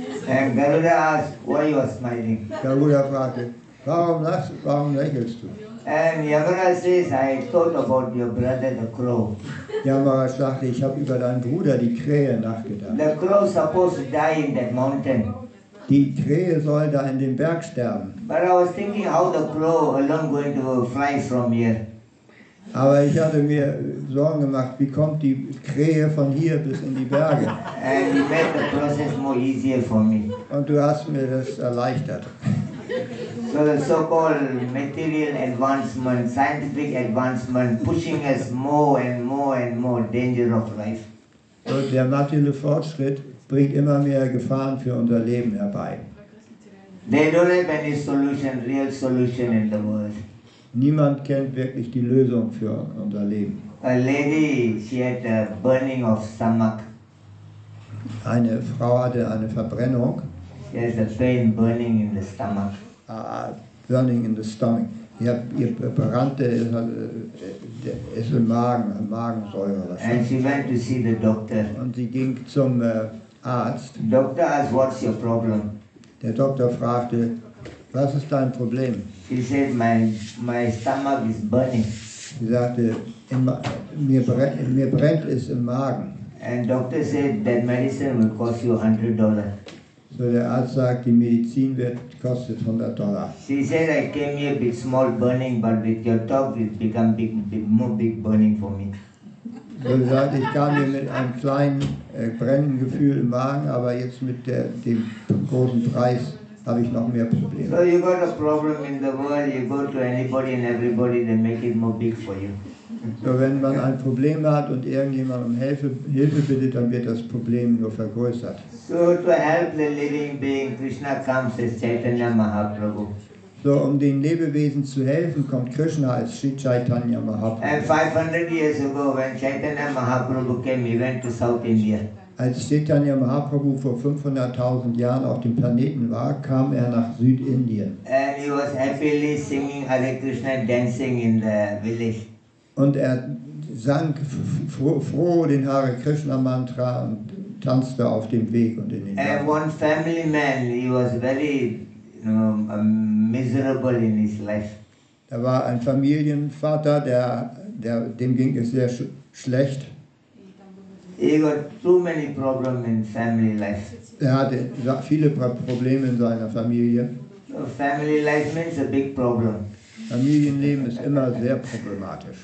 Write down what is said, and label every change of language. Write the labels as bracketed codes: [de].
[en] And Garuda asked, "Why you are smiling?" [de] Garuda fragte, warum lächelst du? [en] And Yamaraj says, "I thought about your brother, the crow." [de] Yamaraj sagte, ich habe über deinen Bruder, die Krähe, nachgedacht. [en] The crow supposed to die in that mountain. [de] Die Krähe soll da in dem Berg sterben. [en] But I was thinking how the crow alone going to fly from here. [de] Aber ich hatte mir Sorgen gemacht, wie kommt die Krähe von hier bis in die Berge? [en] And it made the process more easier for me. [de] Und du hast mir das erleichtert. [en] So the so-called material advancement, scientific advancement, pushing us more and more and more danger of life. [de] So der materielle Fortschritt bringt immer mehr Gefahren für unser Leben herbei. [en] They don't have any solution, real solution in the world. [de] Niemand kennt wirklich die Lösung für unser Leben. [en] A lady, she had a burning of stomach. [de] Eine Frau hatte eine Verbrennung. [en] She has a pain burning in the stomach. Burning in the stomach. [de] Ihr brannte, ist im Magen, Magensäure. [en] And she went to see the doctor. [de] Und sie ging zum Arzt. [en] Doctor asked, "What's your problem?" [de] Der Doktor fragte, was ist dein Problem? [en] He said, my stomach is burning. [de] Sie sagte, mir brennt es im Magen. [en] And doctor said, that medicine will cost you $100. [de] So der Arzt sagt, die Medizin kostet $100. [en] She said, I came here with small burning, but with your talk it become big burning for me. [de] So sie sagt, ich kam hier mit einem kleinen Brenngefühl im Magen, aber jetzt mit dem großen Preis habe ich noch mehr Probleme. [en] So you got a problem in the world, you go to anybody and everybody, they make it more big for you. [de] So wenn man ein Problem hat und irgendjemand um Hilfe bittet, dann wird das Problem nur vergrößert. [en] So to help the living being, Krishna comes as Chaitanya Mahaprabhu. [de] So, um den Lebewesen zu helfen, kommt Krishna als Sri Chaitanya Mahaprabhu. [en] And 500 years ago, when Chaitanya Mahaprabhu came, he went to South India. [de] Als Chaitanya Mahaprabhu vor 500.000 Jahren auf dem Planeten war, kam er nach Südindien. [en] And he was happily singing Hare Krishna, dancing in the village. [de] Und er sang froh den Hare Krishna Mantra und tanzte auf dem Weg und in den Bergen. [en] And one family man, he was very miserable in his life. [de] Da war ein Familienvater, dem ging es sehr schlecht. [en] He got too many problems in family life. [de] Er hatte viele Probleme in seiner Familie. [en] So family life means a big problem. [de] Familienleben ist immer sehr problematisch.